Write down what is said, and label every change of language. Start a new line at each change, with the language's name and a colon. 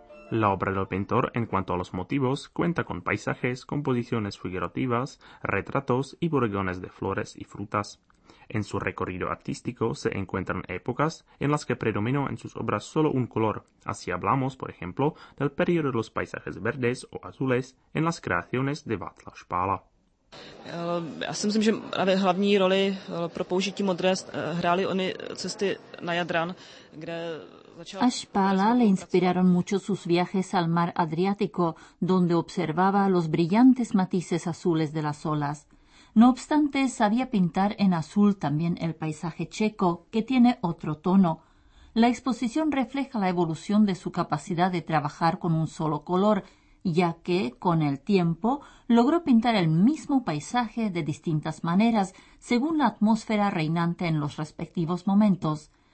Spanish: La obra del pintor, en cuanto a los motivos, cuenta con paisajes, composiciones figurativas, retratos y bodegones de flores y frutas. En su recorrido artístico se encuentran épocas en las que predominó en sus obras solo un color. Así hablamos, por ejemplo, del periodo de los paisajes verdes o azules en las creaciones de Václav Spála.
Czech: Já si myslím, že hlavní roli pro použití modré hrály ony cesty na Jadran, kde
Spanish: A Spála le inspiraron mucho sus viajes al mar Adriático, donde observaba los brillantes matices azules de las olas. No obstante, sabía pintar en azul también el paisaje checo, que tiene otro tono. La exposición refleja la evolución de su capacidad de trabajar con un solo color, ya que, con el tiempo, logró pintar el mismo paisaje de distintas maneras, según la atmósfera reinante en los respectivos momentos.